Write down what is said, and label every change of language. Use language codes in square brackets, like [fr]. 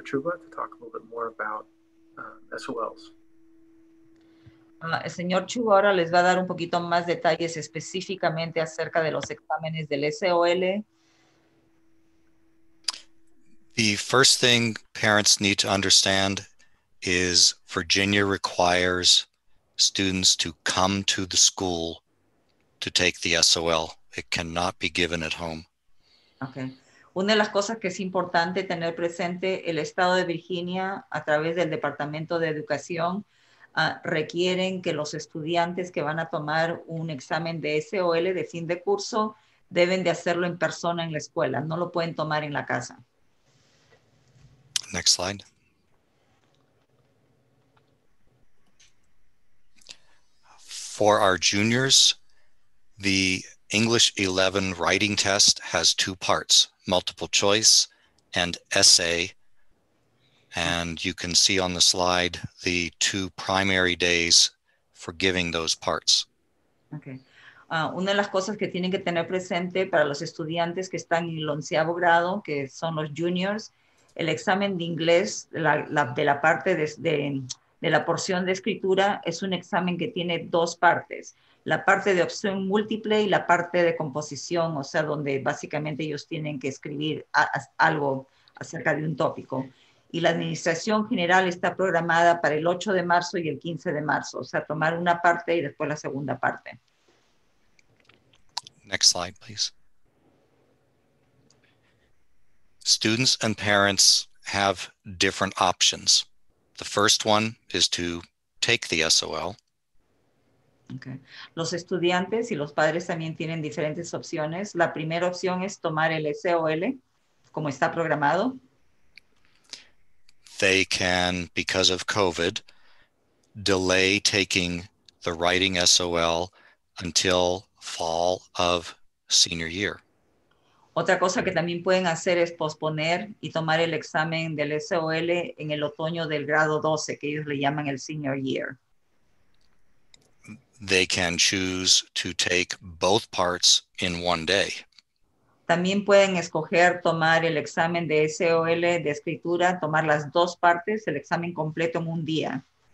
[en] Chuba to talk a little bit more about SOLs. [es] El señor Chuba ahora les va a dar un poquito más detalles específicamente acerca de los exámenes del SOL. [en] The first thing parents need to understand is Virginia requires students to come to the school to take the SOL. It cannot be given at home. Okay. [es] Una de las cosas que es importante tener presente, el estado de Virginia a través del Departamento de Educación requieren que los estudiantes que van a tomar un examen de SOL de fin de curso deben de hacerlo en persona en la escuela, no lo pueden tomar en la casa. [en] Next slide. For our juniors, the English 11 writing test has two parts, multiple choice and essay. And you can see on the slide the two primary days for giving those parts. Okay. [es] Una de las cosas que tienen que tener presente para los estudiantes que están en el onceavo grado, que son los juniors, el examen de inglés, la porción de escritura, es un examen que tiene dos partes. La parte de opción múltiple y la parte de composición, o sea, donde básicamente ellos tienen que escribir algo acerca de un tópico. Y la administración general está programada para el 8 de marzo y el 15 de marzo, o sea, tomar una parte y después la segunda parte. [en] Next slide, please. Students and parents have different options. The first one is to take the SOL. Okay. [es] Los estudiantes y los padres también tienen diferentes opciones. La primera opción es tomar el SOL, como está programado. [en] They can, because of COVID, delay taking the writing SOL until fall of senior year. [es] Otra cosa que también pueden hacer es posponer y tomar el examen del SOL en el otoño del grado 12, que ellos le llaman el senior year. [en] They can choose to take both parts in one day. [es] También pueden escoger tomar el examen de SOL de escritura, tomar las dos partes, el examen completo en un día.